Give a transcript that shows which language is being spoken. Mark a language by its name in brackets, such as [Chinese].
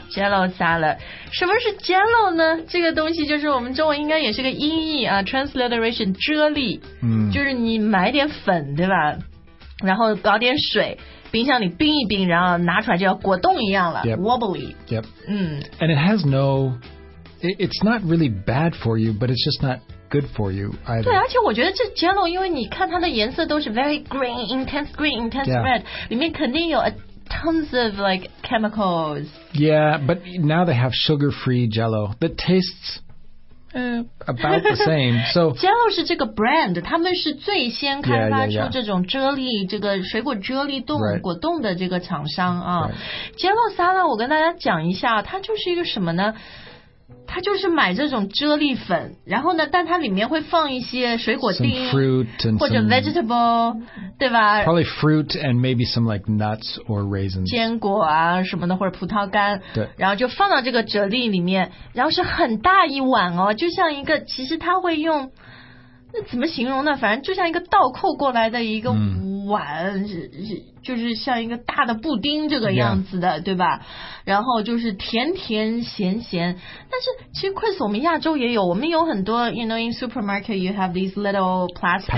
[Chinese] Jell-O salad. 什么是 Jell-O 呢？这个东西就是我们中文应该也是个音译啊 ，transliteration 啫喱。就是你买点粉，对吧？然后搞点水，冰箱里冰一冰，然后拿出来就要果冻一样了 [English] yep. ，wobbly. Yep. And it has no. It's not really bad for you, but it's just not. Good for you. Either. [Chinese] 对，而且我觉得这 Jell-O， 因为你看它的颜色都是 [English] very green, intense green, intense red， [Chinese] 里面肯定有 [English] tons of like chemicals. Yeah, but now they have sugar-free Jell-O that tastes、about the same. So [Chinese] Jell-O 是这个 brand， 他们是最先开发出这种啫喱、这个水果啫喱冻、果冻的这个厂商啊。 [English] Right. [Chinese] Jell-O salad， 我跟大家讲一下，它就是一个什么呢？他就是买这种啫喱粉然后呢但它里面会放一些水果丁 [English] some fruit and [Chinese] 或者 vegetable [English] some, [Chinese] 对吧 [English] probably fruit and maybe some like nuts or raisins [Chinese] 坚果啊什么的或者葡萄干对然后就放到这个啫喱里面然后是很大一碗哦就像一个其实他会用那怎么形容呢反正就像一个倒扣过来的一个碗、就是像一个大的布丁这个样子的、对吧然后就是甜甜咸咸但是其实 Chris 我们亚洲也有我们有很多 [English] you know in supermarket you have these little plastic